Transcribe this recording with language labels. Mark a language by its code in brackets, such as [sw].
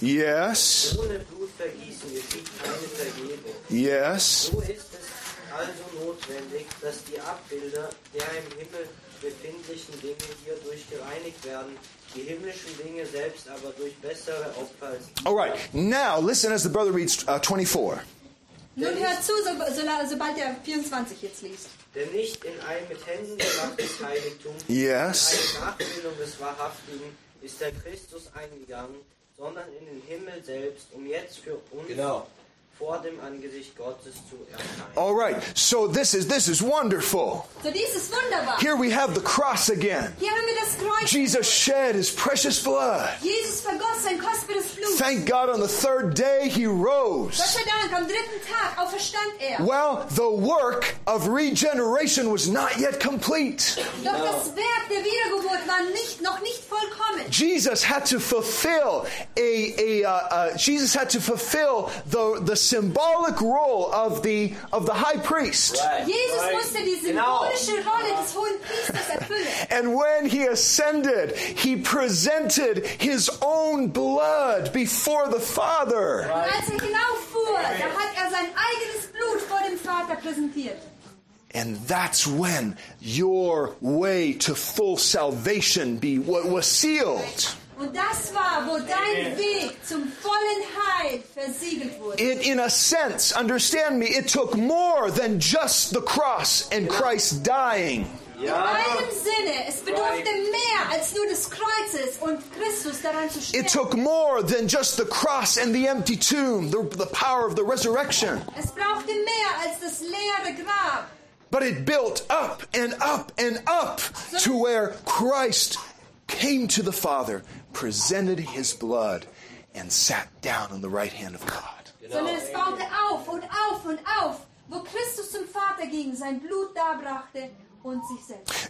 [en] Yes. [de] Ohne Blutvergießen geschieht keine Vergebung. [en] Yes. [de] So ist es also notwendig, dass die Abbilder der im Himmel befindlichen Dinge hierdurch gereinigt werden, die himmlischen Dinge selbst aber durch bessere Opfer. [en] All right, now listen as the brother reads 24. [de] Nun hör zu, sobald er 24 jetzt liest. Denn nicht in einem mit Händen gemachtes Heiligtum, [en] yes, [de] eine Nachbildung des Wahrhaftigen, ist der Christus eingegangen, sondern in den Himmel selbst, um jetzt für uns genau. vor dem Angesicht Gottes zu erscheinen. [en] All right, so this is wonderful. [de] So dies ist wunderbar. [en] Here we have the cross again. [de] Hier haben wir das Kreuz. [en] Jesus shed his precious blood. [de] Jesus vergoss sein kostbares Blut. [en] Thank God on the third day he rose. [de] Gott sei Dank, am dritten Tag auferstand er. [en] Well, the work of regeneration was not yet complete. [de] Doch no. das Werk der Wiedergeburt war noch nicht vollkommen. [en] Jesus had to fulfill the symbolic role of the high priest. Right. [de] Jesus musste die symbolische Rolle des hohen Priesters erfüllen. [en] And when he ascended, he presented his own blood before the Father. Right. [de] Als er hinauffuhr, da hat er sein eigenes Blut vor dem Vater präsentiert. [en] And that's when your way to full salvation was sealed. [de] Und das war, wo dein Weg zum vollen Heil versiegelt wurde. [en] It, in a sense, understand me, it took more than just the cross and Christ dying. [de] Ja. In meinem Sinne, es bedurfte mehr als nur des Kreuzes und Christus daran zu sterben. [en] It took more than just the cross and the empty tomb, the power of the resurrection. [de] Es brauchte mehr als das leere Grab. [en] But it built up and up and up to where Christ came to the Father, presented his blood, and sat down on the right hand of God. [de] Sondern es baute auf und auf und auf, wo Christus zum Vater ging, sein Blut darbrachte und sich selbst.